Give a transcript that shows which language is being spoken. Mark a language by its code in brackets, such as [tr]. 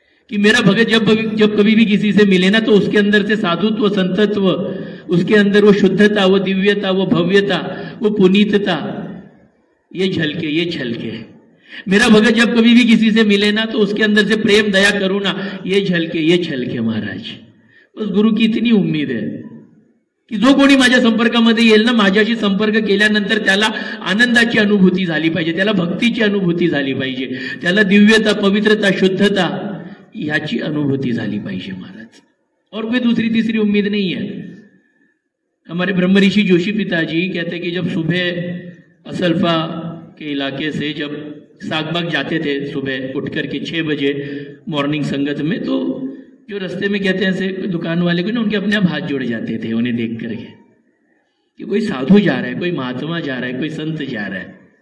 [hi] कि मेरा भगत जब कभी भी किसी से मिले ना तो उसके अंदर से साधुत्व संतत्व, उसके अंदर वो शुद्धता वो दिव्यता वो भव्यता वो पुनीतता, ये झलके, ये झलके। मेरा भगत जब कभी भी किसी से मिले ना तो उसके अंदर से प्रेम दया करुणा, ये झलके, ये झलके महाराज। [mr] बस गुरु की इतनी उम्मीद है कि जो कोणी माझ्या संपर्कामध्ये येईल ना, माझ्याशी संपर्क केल्यानंतर त्याला आनंदाची अनुभूती झाली पाहिजे, त्याला भक्तीची अनुभूती झाली पाहिजे, त्याला दिव्यता पवित्रता शुद्धता याची अनुभूती झाली पाहिजे महाराज। [hi] और कोई दुसरी तिसरी उम्मीद [mr] नाही आहे। [hi] हमारे ब्रह्मऋषि जोशी पिताजी कहते कि जब सुबह असलफा के इलाके से जब सागबाग जाते थे सुबह उठ करके 6 बजे मॉर्निंग संगत में, तो जो रस्ते में कहते हैं ऐसे दुकान वाले को ना, उनके अपने आप हाथ जोड़ जाते थे उन्हें देख करके कि कोई साधु जा रहा है, कोई महात्मा जा रहा है, कोई संत जा रहा है।